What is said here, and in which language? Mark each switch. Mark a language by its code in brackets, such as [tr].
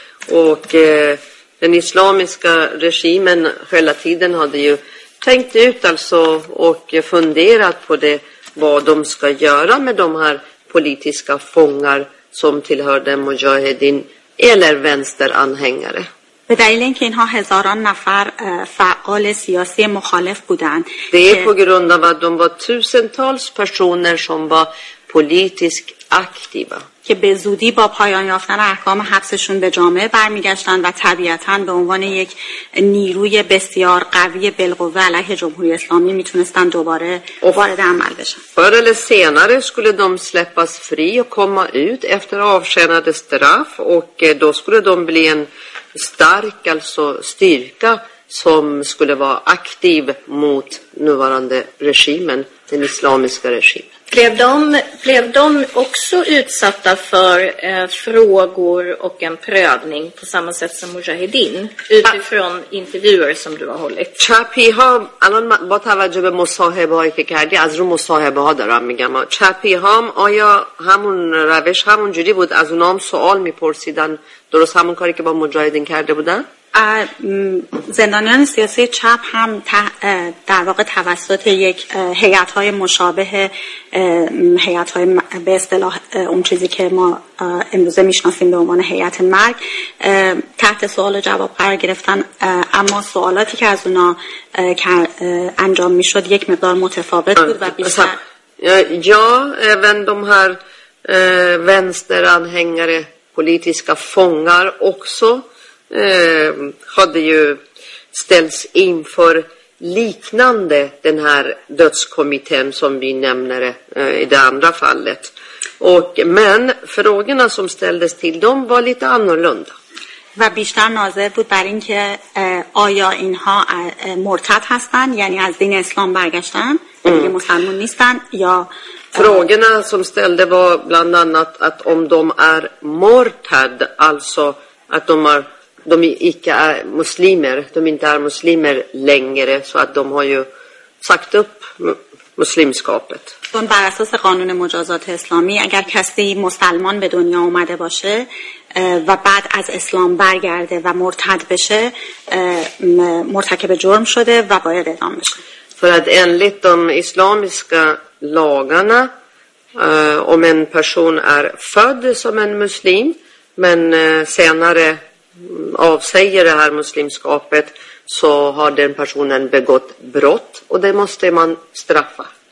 [sv] Och den islamiska regimen hela tiden hade ju tänkt ut alltså och funderat på det, vad de ska göra med de här politiska fångar som tillhörde Mujahedin eller vänsteranhängare. [fa] به دلیل اینکه اینها هزاران نفر فعال سیاسی مخالف بودند. [sv] Det är på grund av att de var tusentals personer som var politiskt aktiva. [fa] که به زودی با پایان یافتن احکام حبسشون به جامعه برمیگشتند و طبیعتاً به عنوان یک نیروی بسیار قوی بالقوه علیه جمهوری اسلامی میتونستن دوباره وارد عمل بشن. [sv] Förr eller senare skulle de släppas fri och komma ut efter avtjänade straff och då skulle de bli en stark alltså styrka som skulle vara aktiv mot nuvarande regimen. den islamiska regimen. Blev de också utsatta för frågor och en prövning på samma sätt som Mujahedin utifrån intervjuer som du har hållit? [fa] چپی ها الان با توجه به مصاحبه هایی که کردی از رو مصاحبه ها دارم میگم چپی ها آیا همون روش همون جوری بود از اونام سوال میپرسیدن درست همون کاری که با مجاهدین کرده بودن؟ زندانیان سیاسی چپ هم در واقع توسط یک هیئت‌های مشابه هیئت‌های به اصطلاح اون چیزی که ما امروز می‌شناسیم به عنوان هیئت مرگ تحت سوال و جواب قرار گرفتن، اما سوالاتی که از اونا انجام می‌شد یک مقدار متفاوت بود و بیشتر [sv] یا även de här vänsteranhängare politiska fångar också hade ju ställts inför liknande den här dödskommittén som vi nämner i det andra fallet. Och, men frågorna som ställdes till dem var lite annorlunda. [fa] و بیشتر ناظر بود بر این که آیا اینها مرتد هستن، یعنی از دین اسلام برگشتن، یعنی مسلمان نیستن یا [sv] فراغنه سم ستلده با بلندانت ات ام دوم ار مرتد altså ات دوم ار de är icke muslimer, de är inte muslimer längre, så att de har ju sagt upp muslimskapet. Men bara så att [fa] قانون مجازات اسلامی اگر کسی مسلمان به دنیا اومده باشه و بعد از اسلام برگرده و مرتد بشه مرتکب جرم شده و باید اعدام بشه. [sv] För att enligt de islamiska lagarna om en person är född som en muslim men senare avsäger det här muslimskapet så har den personen begått brott och det måste man straffa.